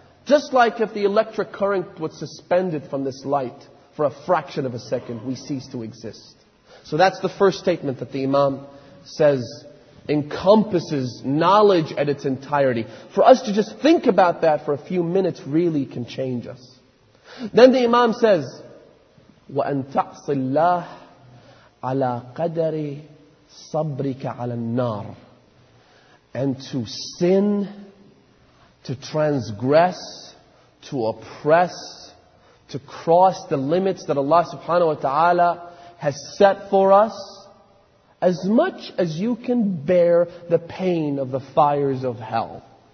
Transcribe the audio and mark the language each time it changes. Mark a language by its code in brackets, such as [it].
[en] Just like if the electric current was suspended from this light for a fraction of a second, we cease to exist. So that's the first statement that the Imam says encompasses knowledge at its entirety. For us to just think about that for a few minutes really can change us. Then the Imam says, [ar] وَأَن تَعْصِ اللَّهَ عَلَىٰ قَدَرِ صَبْرِكَ عَلَىٰ النَّارِ. [en] And to sin, to transgress, to oppress, to cross the limits that Allah subhanahu wa ta'ala has set for us, as much as you can bear the pain of the fires of hell.